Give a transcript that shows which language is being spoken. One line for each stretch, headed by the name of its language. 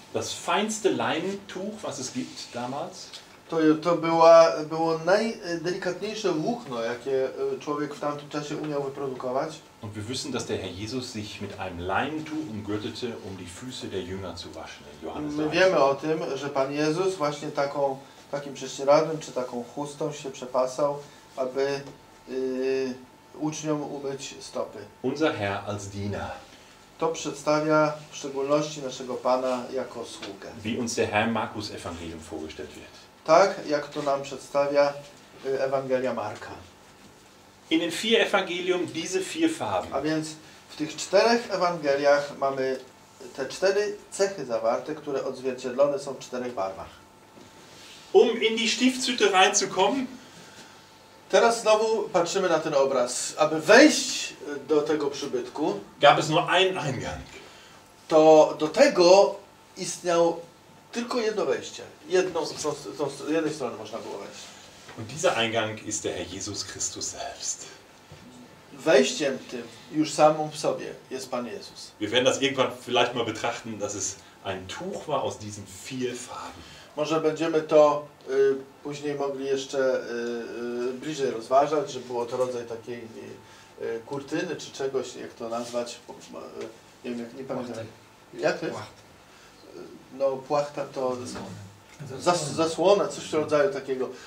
German: Das feinste Leintuch, was es gibt damals.
Polish: To było najdelikatniejsze włókno, jakie człowiek w tamtym czasie umiał wyprodukować.
German: Und wir wissen, dass der Herr Jesus sich mit einem Leintuch umgürtete, um die Füße der Jünger zu waschen. Johannes.
Polish: My wiemy o tym, że Pan Jezus właśnie takim prześcieradłem czy taką chustą się przepasał, aby uczniom umyć stopy.
German: Unser Herr als Diener.
Polish: To przedstawia w szczególności naszego Pana jako sługę.
German: Wie uns der Herr Markus Evangelium vorgestellt wird.
Polish: Tak, jak to nam przedstawia Ewangelia Marka.
German: In den vier Evangelium diese vier Farben.
Polish: A więc w tych czterech Ewangeliach mamy te cztery cechy zawarte, które odzwierciedlone są w czterech barwach.
German: Um in die Stiftshütte reinzukommen.
Polish: Teraz znowu patrzymy na ten obraz. Aby wejść do tego przybytku,
German: gab es nur einen Eingang.
Polish: To do tego istniał tylko jedno wejście. Z jednej strony można było wejść.
German: Und dieser Eingang ist der Herr Jesus Christus selbst.
Polish: Wejściem tym już samą w sobie jest Pan Jezus.
German: Wir werden das irgendwann vielleicht mal betrachten, dass es ein Tuch war aus diesen vier Farben.
Polish: Może będziemy to później mogli jeszcze bliżej rozważać, że było to rodzaj takiej kurtyny czy czegoś, jak to nazwać, nie wiem, nie pamiętam. Płachty. Jak to jest? Płachta. No płachta to zasłona, coś w rodzaju takiego.